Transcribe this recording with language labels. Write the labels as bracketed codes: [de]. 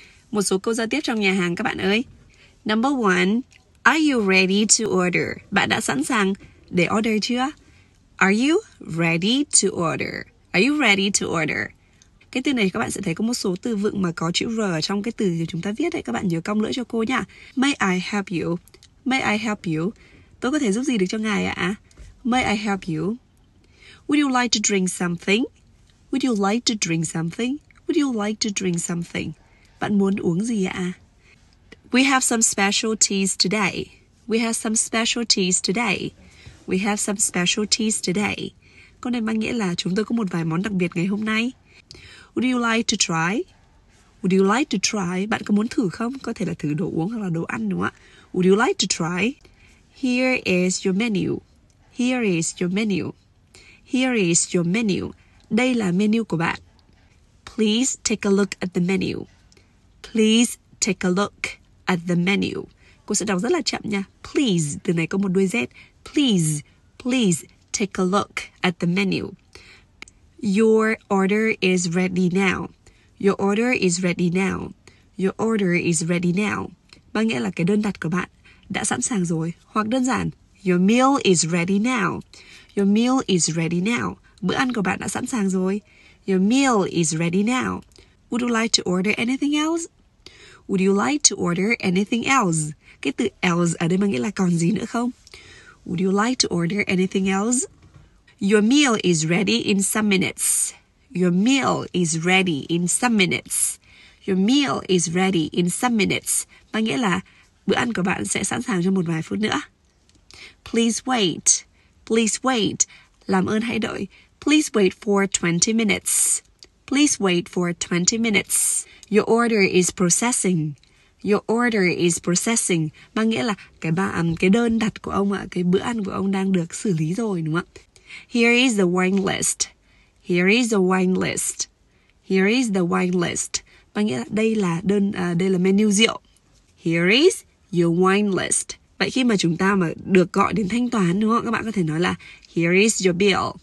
[vi] Một số câu giao tiếp trong nhà hàng các bạn ơi. [en] Number one, are you ready to order? [vi] Bạn đã sẵn sàng để order chưa? [en] Are you ready to order? Are you ready to order? [vi] Cái từ này các bạn sẽ thấy có một số từ vựng mà có chữ R trong cái từ chúng ta viết đấy. Các bạn nhớ cong lưỡi cho cô nha. [en] May I help you? [vi] May I help you? Tôi có thể giúp gì được cho ngài ạ? [en] May I help you? Would you like to drink something? Would you like to drink something? Would you like to drink something? [vi] Bạn muốn uống gì ạ? [en] We have some special teas today. We have some special teas today. We have some special teas today. [vi] Câu này mang nghĩa là chúng tôi có một vài món đặc biệt ngày hôm nay. [en] Would you like to try? Would you like to try? [vi] Bạn có muốn thử không? Có thể là thử đồ uống hoặc là đồ ăn đúng không ạ? [en] Would you like to try? Here is your menu. Here is your menu. Here is your menu. [vi] Đây là menu của bạn. [en] Please take a look at the menu. Please take a look at the menu. [vi] Cô sẽ đọc rất là chậm nha. Please, từ này có một đuôi Z. [en] Please, please take a look at the menu. Your order is ready now. Your order is ready now. Your order is ready now. [vi] Bằng nghĩa là cái đơn đặt của bạn đã sẵn sàng rồi. Hoặc đơn giản, [en] your meal is ready now. Your meal is ready now. [vi] Bữa ăn của bạn đã sẵn sàng rồi. [en] Your meal is ready now. Would you like to order anything else? Would you like to order anything else? [vi] Cái từ else ở đây mà nghĩa là còn gì nữa không? [en] Would you like to order anything else? Your meal is ready in some minutes. Your meal is ready in some minutes. Your meal is ready in some minutes. [vi] Mà nghĩa là bữa ăn của bạn sẽ sẵn sàng trong một vài phút nữa. [en] Please wait. Please wait. [vi] Làm ơn hãy đợi. [en] Please wait for 20 minutes. Please wait for 20 minutes. Your order is processing. Your order is processing. [vi] Mà nghĩa là cái đơn đặt của ông ạ, cái bữa ăn của ông đang được xử lý rồi đúng không ạ? [en] Here is the wine list. Here is the wine list. Here is the wine list. [vi] Mà nghĩa là đây là menu rượu. [en] Here is your wine list. [vi] Vậy khi mà chúng ta mà được gọi đến thanh toán đúng không? Các bạn có thể nói là [en] here is your bill.